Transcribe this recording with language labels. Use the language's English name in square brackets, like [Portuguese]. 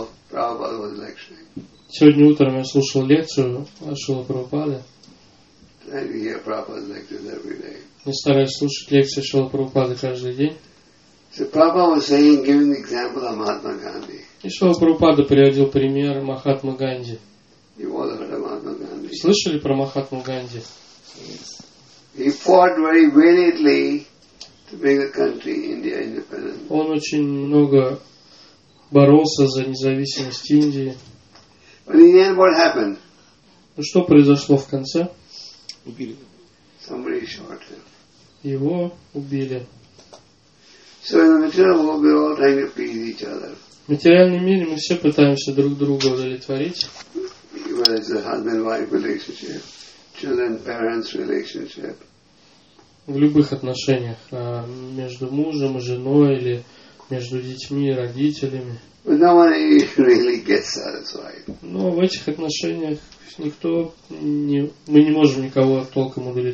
[Russian] Сегодня утром я слушал лекцию Шрилы Прабхупады. Я стараюсь слушать лекции Шрилы Прабхупады каждый день. [English] So Prabhupada was saying, giving the example of Mahatma Gandhi. [Russian] И Шрила Прабхупада приводил пример Махатмы Ганди. [English] You all heard of Mahatma Gandhi. [Russian] Слышали про Махатму Ганди? [English] He fought very valiantly. Country, [Russian] он очень много боролся за независимость Индии. [English] But in the end, what happened? [Russian] Ну что произошло в конце? Убили. [English] Somebody shot him. [Russian] Его убили. [English] So in the material world, we're all trying to please each other. [Russian] В материальном мире мы все пытаемся друг друга удовлетворить. [English] Whether it's a husband-wife relationship, children-parents relationship. [Russian] В любых отношениях, между мужем и женой или между детьми и родителями. Но в этих отношениях никто не, мы не можем никого толком